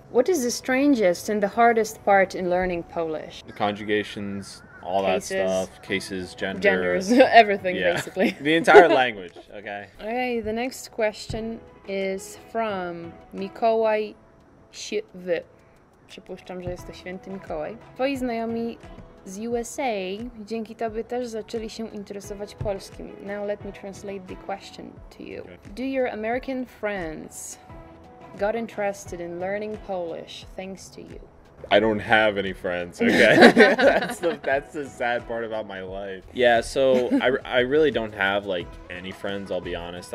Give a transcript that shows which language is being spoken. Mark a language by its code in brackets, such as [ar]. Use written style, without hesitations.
[en] What is the strangest and the hardest part in learning Polish? The conjugations, all cases, that stuff. Cases, gender. Genders, everything, yeah. Basically. The entire language, okay. Okay, the next question is from Mikołaj Świwy. [pl] Przypuszczam, że jest to Święty Mikołaj. Twoi znajomi z USA dzięki tobie też zaczęli się interesować polskim. [en] Now let me translate the question to you. Okay. Do your American friends got interested in learning Polish thanks to you? I don't have any friends, okay? that's the sad part about my life. Yeah, so I really don't have, like, any friends, I'll be honest.